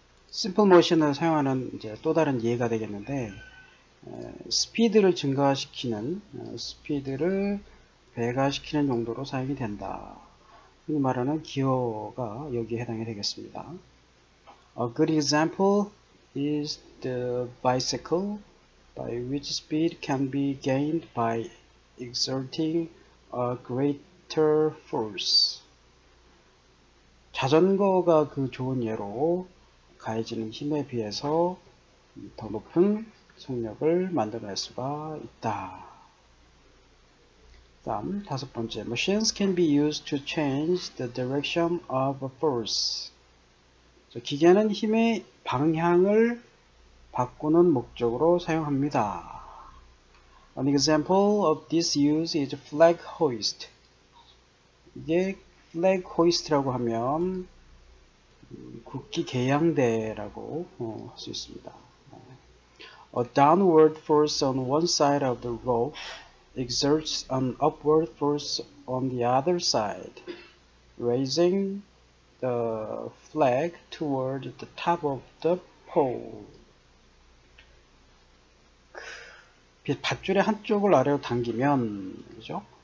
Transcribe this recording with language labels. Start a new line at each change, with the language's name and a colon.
Korean: Simple motion을 사용하는 이제 또 다른 예가 되겠는데, 스피드를 증가시키는, 스피드를 배가시키는 용도로 사용이 된다. 이 말하는 기호가 여기에 해당이 되겠습니다.
English: A good example is the bicycle by which speed can be gained by exerting a greater force.
Korean: 자전거가 그 좋은 예로 가해지는 힘에 비해서 더 높은 속력을 만들어낼 수가 있다. 다음, 다섯 번째.
English: Machines can be used to change the direction of a force.
Korean: 기계는 힘의 방향을 바꾸는 목적으로 사용합니다.
English: An example of this use is flag hoist.
Korean: 이게 flag hoist라고 하면 국기 개양대라고 할수 있습니다.
English: A downward force on one side of the rope exerts an upward force on the other side, raising the flag toward the top of the pole.
Korean: 밧줄의 한쪽을 아래로 당기면, 그죠?